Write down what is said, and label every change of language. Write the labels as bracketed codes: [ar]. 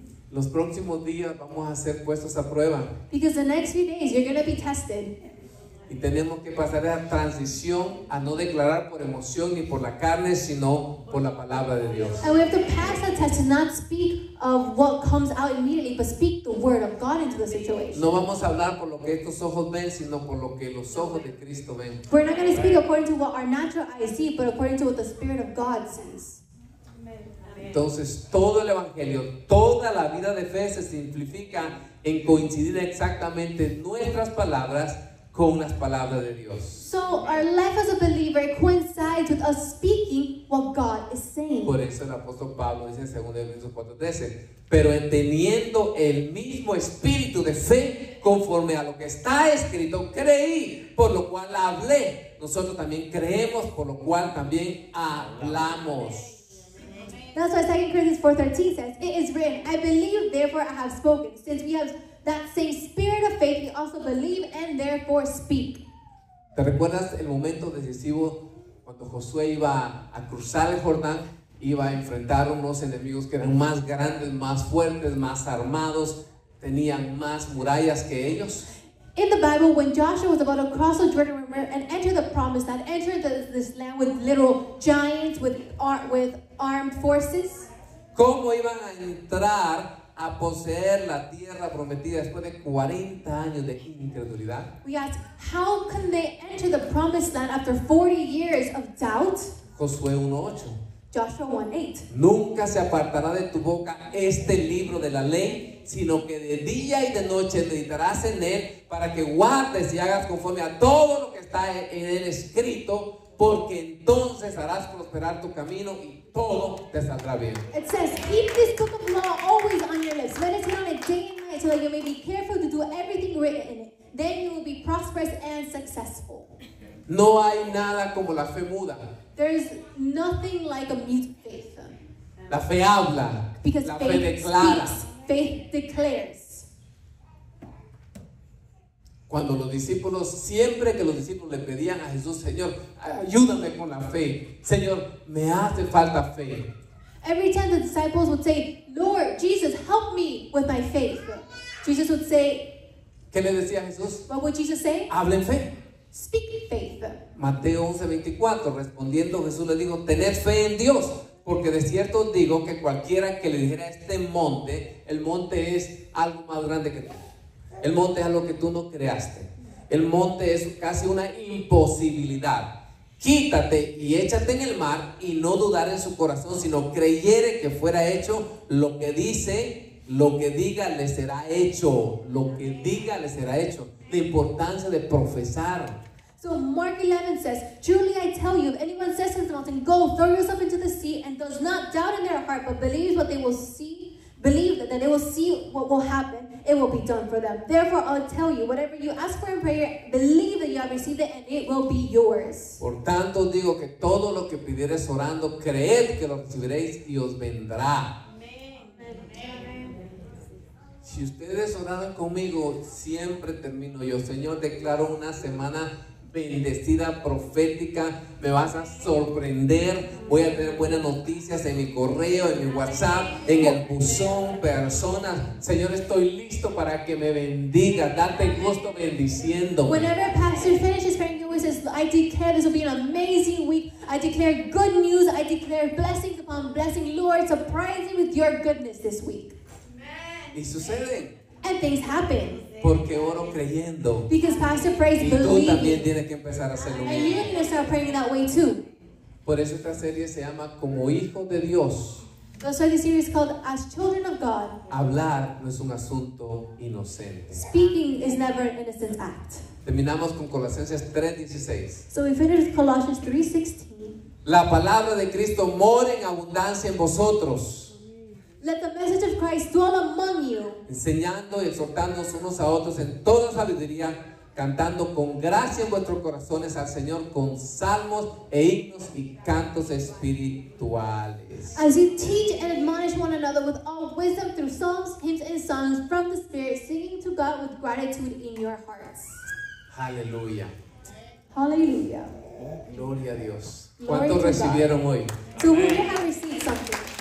[es] Los próximos días vamos a ser puestos a prueba. [en] Because the next few days you're going to be tested. [es] Y tenemos que pasar esa transición a no declarar por emoción ni por la carne, sino por la palabra de Dios. [en] And we have to pass that test to not speak of what comes out immediately, but speak the word of God into the situation. [es] No vamos a hablar por lo que estos ojos ven, sino por lo que los ojos de Cristo ven. [en] We're not going to speak according to what our natural eyes see, but according to what the Spirit of God sees. [es] Entonces, todo el Evangelio, toda la vida de fe se simplifica en coincidir exactamente nuestras palabras con las palabras de Dios. [en] So, our life as a believer coincides with us speaking what God is saying. [es] Por eso el apóstol Pablo dice en 2 Corintios 4:13, pero entendiendo el mismo espíritu de fe conforme a lo que está escrito, creí, por lo cual hablé. Nosotros también creemos, por lo cual también hablamos. [en] That's why 2 Corinthians 4:13 says, it is written, I believe, therefore I have spoken. Since we have that same spirit of faith, we also believe and therefore speak. [es] ¿Te recuerdas el momento decisivo cuando Josué iba a cruzar el Jordán? Iba a enfrentar unos enemigos que eran más grandes, más fuertes, más armados, tenían más murallas que ellos. [en] In the Bible, when Joshua was about to cross the Jordan River and enter the promised land, enter this land with little giants, with armed forces. [es] ¿Cómo iban a entrar a poseer la tierra prometida después de 40 años de incredulidad? [en] We ask, how can they enter the promised land after 40 years of doubt? [es] Josué 1:8. [en] Joshua 1:8. [es] Nunca se apartará de tu boca este libro de la ley, sino que de día y de noche meditarás en él para que guardes y hagas conforme a todo lo que está en él escrito, porque entonces harás prosperar tu camino y todo te saldrá bien. [en] It says, keep this book of law always on your lips. Meditate on it day and night so that you may be careful to do everything written in it. Then you will be prosperous and successful. [es] No hay nada como la fe muda. [en] There is nothing like a mute faith. [es] La fe habla. [en] Because [es] la [en] faith [es] fe declara. [en] Speaks. Faith declares. [es] Cuando los discípulos, siempre que los discípulos le pedían a Jesús, Señor, ayúdame con la fe. Señor, me hace falta fe. [en] Every time the disciples would say, Lord, Jesus, help me with my faith. Jesus would say, [es] ¿qué le decía Jesús? [en] What would Jesus say? [es] Hablen fe. [en] Speak faith. [es] Mateo 11:24, respondiendo Jesús le dijo, tened fe en Dios. Porque de cierto digo que cualquiera que le dijera este monte, el monte es algo más grande que tú. El monte es algo que tú no creaste. El monte es casi una imposibilidad. Quítate y échate en el mar y no dudar en su corazón, sino creyere que fuera hecho lo que dice, lo que diga le será hecho, lo que diga le será hecho. La importancia de profesar. [en] So Mark 11 says, truly I tell you, if anyone says to the mountain, go, throw yourself into the sea, and does not doubt in their heart, but believes what they will see, believe that they will see what will happen, it will be done for them. Therefore, I'll tell you, whatever you ask for in prayer, believe that you have received it, and it will be yours. [es] Por tanto, digo que todo lo que pidieres orando, creed que lo recibiréis y os vendrá. Si ustedes oran conmigo, siempre termino yo. Señor, declaro una semana bendecida, profética. Me vas a sorprender. Voy a tener buenas noticias en mi correo, en mi WhatsApp, en el buzón, personas. Señor, estoy listo para que me bendiga. Date gusto bendiciendo. [en] Whenever Pastor finishes praying, he always says, I declare this will be an amazing week. I declare good news. I declare blessings upon blessing. Lord, surprise me with your goodness this week. [es] Y sucede. [en] And things happen. [es] Porque oro creyendo. [en] Because Pastor prays believing. [es] Y tú también tienes que empezar a hacerlo. [en] And you need to start praying that way too. [es] Por eso esta serie se llama Como Hijo de Dios. [en] That's why this series is called As Children of God. [es] Hablar no es un asunto inocente. [en] Speaking is never an innocent act. [es] Terminamos con Colosenses 3:16. [en] So we finished Colossians 3:16. [es] La palabra de Cristo mora en abundancia en vosotros. [en] Let the message of Christ dwell among you. [es] Enseñando y exhortándonos unos a otros en toda sabiduría, cantando con gracia en vuestros corazones al Señor con salmos e himnos y cantos espirituales. [en] As you teach and admonish one another with all wisdom through psalms, hymns, and songs from the Spirit, singing to God with gratitude in your hearts. Hallelujah. Hallelujah. [es] Gloria a Dios. [en] Glory. [es] ¿Cuántos [en] to [es] recibieron [en] God [es] hoy? [en] So we have received something.